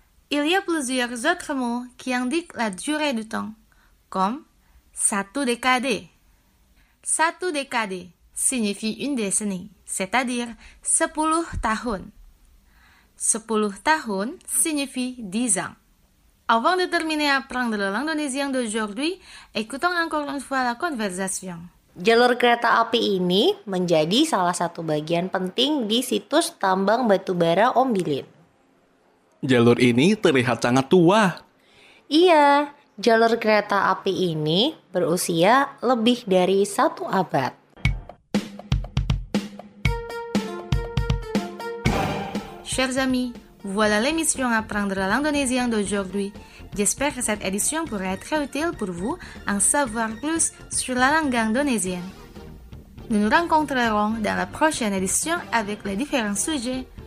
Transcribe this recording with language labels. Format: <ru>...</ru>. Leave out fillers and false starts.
<fr>Il y a plusieurs autres mots qui indiquent la durée du temps, comme satu décade signifie une décennie, c'est-à-dire 10 tahun. 10 tahun signifie 10 ans. Avant de terminer apprendre le langue d'aujourd'hui, écoutons encore une fois la conversation.</fr> <id>Jalur kereta api ini menjadi salah satu bagian penting di situs tambang batubara Ombilin. Jalur ini terlihat sangat tua. Iya, jalur kereta api ini berusia lebih dari satu abad.</id> <fr>Chers amis, voilà l'émission Apprendre la langue indonésienne d'aujourd'hui. J'espère que cette édition pourra être utile pour vous en savoir plus sur la langue indonésienne. Nous nous rencontrerons dans la prochaine édition avec les différents sujets.</fr>